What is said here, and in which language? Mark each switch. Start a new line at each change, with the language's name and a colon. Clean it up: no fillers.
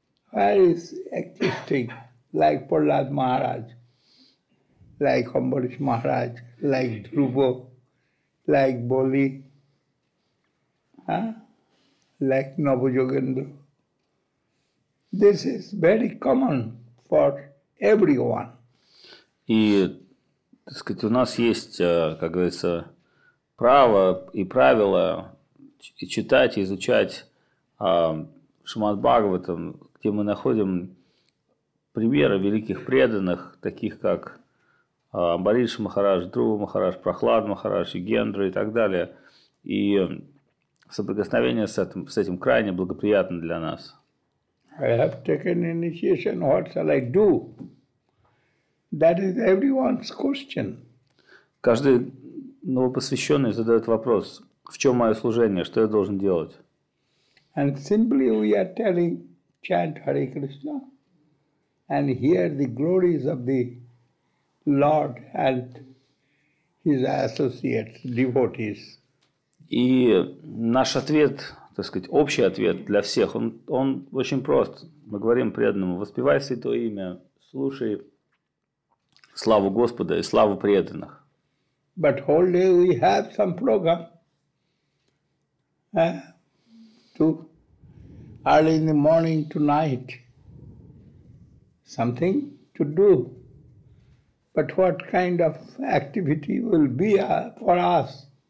English: Where is existing like Prahlad Maharaj, like Ambarish Maharaj, like Dhruva, like Boli, like Navajogendra. This is very common for everyone.
Russian: И, так сказать, у нас есть, как говорится, право и правило читать и изучать Шримад Бхагаватам, где мы находим примеры великих преданных, таких как Амбариш Махарадж, Друва Махарадж, Прахлад Махарадж, Югендра и так далее. И соприкосновение с этим крайне благоприятно для нас.
English: I have taken initiation. What shall I do? That is everyone's question.
Russian: Каждый новопосвященный задает вопрос, в чем мое служение, что я должен делать?
English: And simply we are telling, chant Hare Krishna and hear the glories of the Lord and His associates, devotees.
Russian: И наш ответ, так сказать, общий ответ для всех, он очень прост. Мы говорим преданному, воспевай святое имя, слушай славу Господа и славу преданных.
English: But whole day we have some program. To early in the morning to night. Something to do. But what kind of activity will be for us?